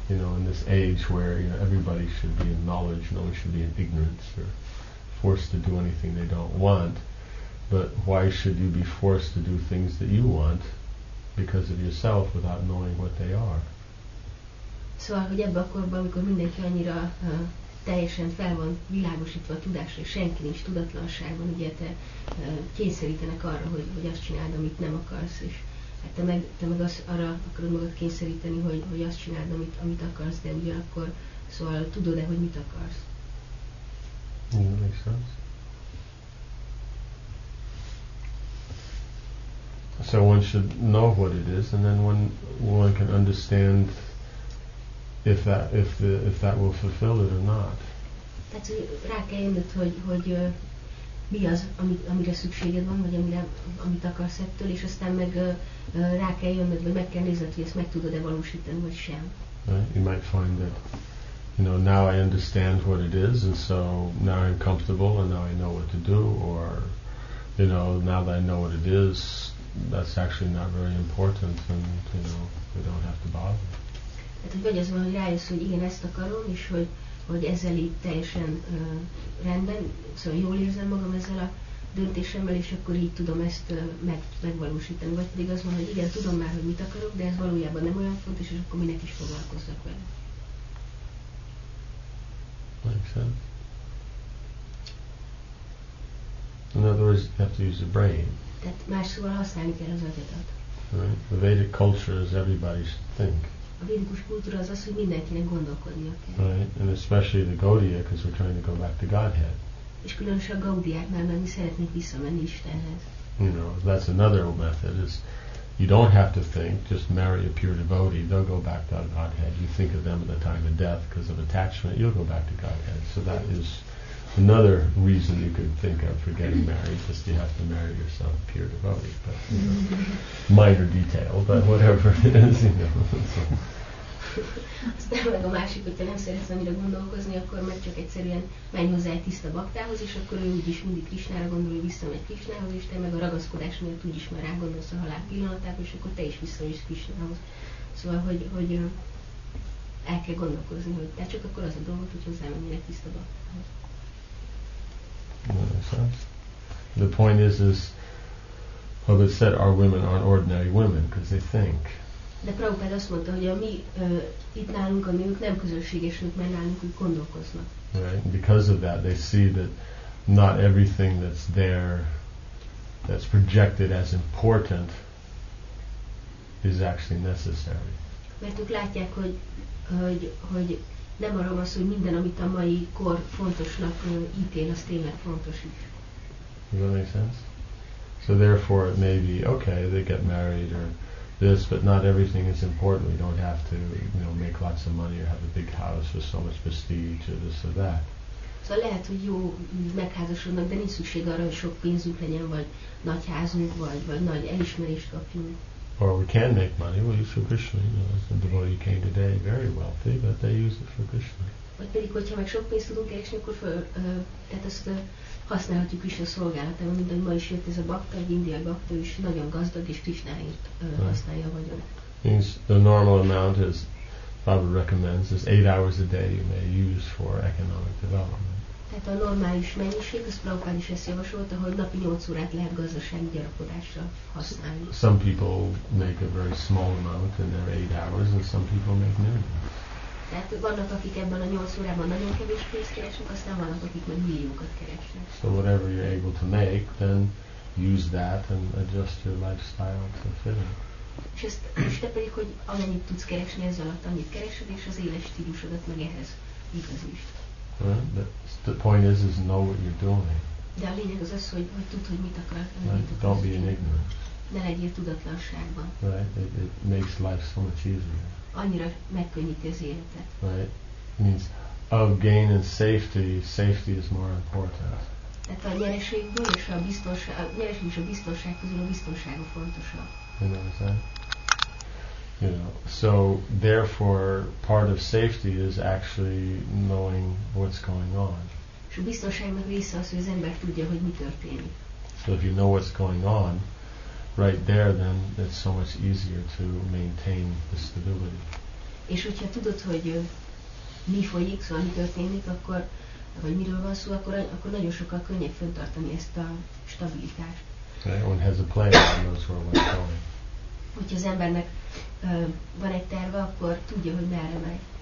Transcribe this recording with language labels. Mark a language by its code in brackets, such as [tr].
[en] You know, in this age where you know, everybody should be in knowledge, no one should be in ignorance or forced to do anything they don't want, but why should you be forced to do things that you want? Because of yourself, without knowing what they are. [hu] Szóval, hogy ebben a korban, amikor mindenki annyira teljesen fel van világosítva a tudásra, és senki nincs tudatlanságban, ugye te kényszerítenek arra, hogy azt csináld, amit nem akarsz, és hát te meg az arra akarod magad kényszeríteni, hogy azt csináld, amit akarsz, de ugyanakkor, szóval tudod-e, hogy mit akarsz? [en] Makes sense. So one should know what it is, and then one can understand if that will fulfill it or not. [hu] Tehát rá kell jönnöd, hogy mi az, amire szükséged van, vagy amit akarsz ettől, és aztán meg rá kell jönnöd, vagy meg kell nézned, hogy ezt meg tudod-e valósítani, vagy sem. [en] Right? You might find that, you know, now I understand what it is, and so now I'm comfortable, and now I know what to do, or, you know, now that I know what it is, that's actually not very important, and you know we don't have to bother. [hu] Tehát hogy vagy az van, hogy rájössz, hogy igen, ezt akarom, és hogy ezzel így teljesen rendben, szóval jól érzem magam ezzel a döntésemmel, és akkor így tudom ezt megvalósítani. Vagy pedig az van, hogy igen, tudom már, hogy mit akarok, de ez valójában nem olyan fontos, és akkor minek is foglalkozzak vele. [en] In other words, you have to use the brain. [hu] Tehát más szóval használni kell az agyadat. [en] Right. The Vedic culture is everybody should think. [hu] A védikus kultúra az az, hogy mindenkinek gondolkodnia kell. [en] Right. And especially the Gaudiya, because we're trying to go back to Godhead. [hu] És különösen a Gaudiák, mert mi szeretnénk visszamenni Istenhez. [en] You know, that's another method, is you don't have to think, just marry a pure devotee, they'll go back to Godhead. You think of them at the time of death because of attachment, you'll go back to Godhead. So that is another reason you could think of for getting married, just you have to marry yourself pure devotee, but you know, minor detail, but whatever it is, you know. [hu] Aztán meg a másik, hogy te nem szeretsz annyira gondolkozni, akkor meg csak egyszerűen menj hozzá egy tiszta baktához, és akkor ő úgyis mindig Krisnára gondol, hogy visszamegy Krisnához, és te meg a ragaszkodás miatt úgyis már rágondolsz a halál pillanatát, és akkor te is visszamegy Krisnához. Szóval, hogy el kell gondolkozni, hogy te csak akkor az a dolgot, hogy hozzá menjél egy tiszta baktához. [en] The point is Prabhupada said our women aren't ordinary women because they think. [hu] De Prabhupada azt mondta, hogy a mi itt nálunk a nők nem közönséges nők, mert nálunk úgy gondolkoznak. [en] Right. Because of that, they see that not everything that's there, that's projected as important, is actually necessary. [hu] Mert ők látják, hogy nem arról van szó, hogy minden, amit a mai kor fontosnak ítél, az tényleg fontos. [en] Does that make sense? So therefore it may be, okay, they get married or this, but not everything is important. We don't have to, you know, make lots of money or have a big house or so much prestige or this or that. [hu] Szóval lehet, hogy jó, megházasodnak, de nincs szükség arra, hogy sok pénzük legyen, vagy nagy házunk, vagy nagy elismerést kapjunk. [en] Or we can make money. We use for Krishna. You know, the devotee came today very wealthy, but they use it for Krishna. [hu] Vagy pedig, hogyha meg sok pénzt tudunk keresni, akkor tehát ezt használhatjuk Krishna szolgálatában, mint ahogy ma is jött ez a bakta, egy indiai bakta, is nagyon gazdag, és Krishnáért használja a vagyon. [en] Means the normal amount, as Prabhupada recommends, is 8 hours a day you may use for economic development. [hu] Tehát a normális mennyiség, az Prabhupád is ezt javasolta, hogy napi 8 órát lehet gazdasági gyarapodásra használni. [en] Some people make a very small amount in their 8 hours, and some people make millions. [hu] Tehát vannak, akik ebben a 8 órában nagyon kevés pénzt keresnek, aztán vannak, akik meg milliókat keresnek. [en] So whatever you're able to make, then use that and adjust your lifestyle to fit it. [hu] És ezt, és te pedig, hogy amennyit tudsz keresni, ez alatt annyit keresed, és az éles stílusodat meg ehhez igazítsd. [en] The point is know what you're doing. [hu] De a lényeg az az, hogy, hogy tudd, hogy mit akar. [en] Don't be in ignorance. [hu] Ne legyél tudatlanságban. [en] Right? It makes life so much easier. [hu] Annyira megkönnyíti az életet. [en] Right? It means of gain and safety, safety is more important. [hu] Tehát a nyereségből és a biztonság, a nyereség és a biztonság közül a biztonság a fontosabb. [en] You know what I'm saying? You know, so therefore, part of safety is actually knowing what's going on. [hu] És a biztonságnak része az, hogy az ember tudja, hogy mi történik. [en] So if you know what's going on, right there, then it's so much easier to maintain the stability. [hu] És hogyha tudod, hogy mi folyik, szóval mi történik, akkor, vagy miről van szó, akkor, akkor nagyon sokkal könnyebb fenntartani ezt a stabilitást. [en] Everyone has a plan and knows where one's going. [hu] Hogyha az embernek van egy terve, akkor tudja, hogy merre megy.